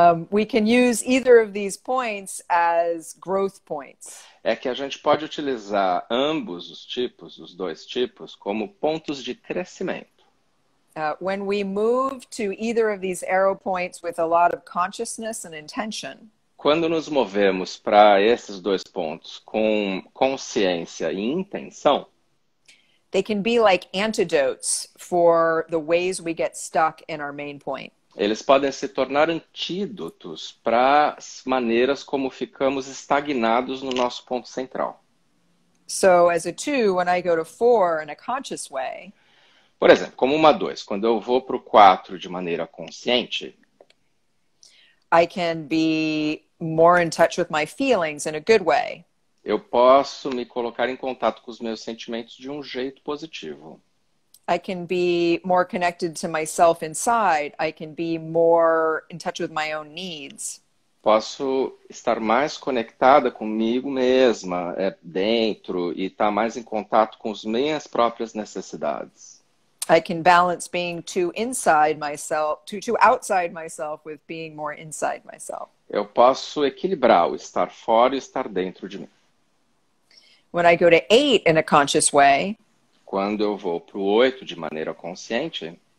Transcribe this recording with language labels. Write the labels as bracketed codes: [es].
[en] we can use either of these points as growth points. [pt] É que a gente pode utilizar ambos os tipos, os dois tipos, como pontos de crescimento. [en] When we move to either of these arrow points with a lot of consciousness and intention. [pt] Quando nos movemos para esses dois pontos com consciência e intenção, [en] they can be like antidotes for the ways we get stuck in our main point. [pt] Eles podem se tornar antídotos para as maneiras como ficamos estagnados no nosso ponto central. [en] So, as a two, when I go to four in a conscious way, [pt] por exemplo, como uma dois, quando eu vou para o quatro de maneira consciente, [en] I can be more in touch with my feelings in a good way. [pt] Eu posso me colocar em contato com os meus sentimentos de um jeito positivo. [en] I can be more connected to myself inside. I can be more in touch with my own needs. [pt] Posso estar mais conectada comigo mesma, dentro, e estar mais em contato com as minhas próprias necessidades. [en] I can balance being too inside myself, too outside myself with being more inside myself. [pt] Eu posso equilibrar o estar fora e estar dentro de mim. [en] When I go to eight in a conscious way, [pt] quando eu vou pro oito de maneira consciente,